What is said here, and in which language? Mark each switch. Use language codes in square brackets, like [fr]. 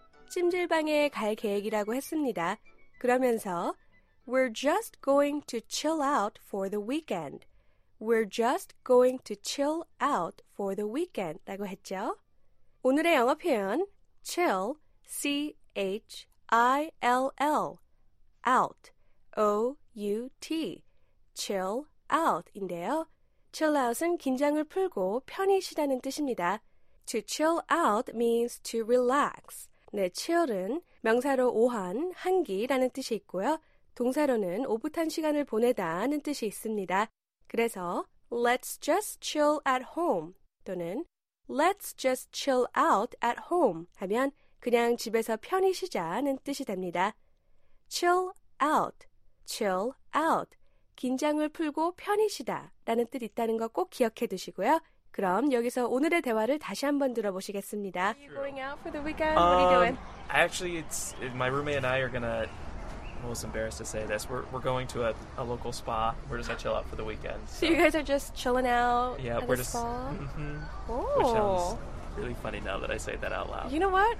[ko] 찜질방에 갈 계획이라고 했습니다. 그러면서 [en] We're just going to chill out for the weekend. We're just going to chill out for the weekend [ko] 라고 했죠. 오늘의 영어 표현, chill, C-H-I-L-L, out, O-U-T, chill out인데요. Chill out은 긴장을 풀고 편히 쉬다는 뜻입니다. [en] To chill out means to relax. [ko] 네, chill은 명사로 오한, 한기라는 뜻이 있고요. 동사로는 오붓한 시간을 보내다는 뜻이 있습니다. 그래서 [en] let's just chill at home [ko] 또는 [en] let's just chill out at home [ko] 하면 그냥 집에서 편히 쉬자는 뜻이 됩니다. Chill out, chill out, 긴장을 풀고 편히 쉬다 라는 뜻 있다는 거 꼭 기억해 두시고요. 그럼 여기서 오늘의 대화를 다시 한번 들어보시겠습니다. [en] Are you going out for the weekend? What are you doing? Actually, my roommate and I are going to... I'm almost embarrassed to say this. We're going to a local spa. We're just going to chill out for the weekend. So you guys are just chilling out at a spa? Mm-hmm. Oh. Which sounds really funny now that I say that out loud. You know what?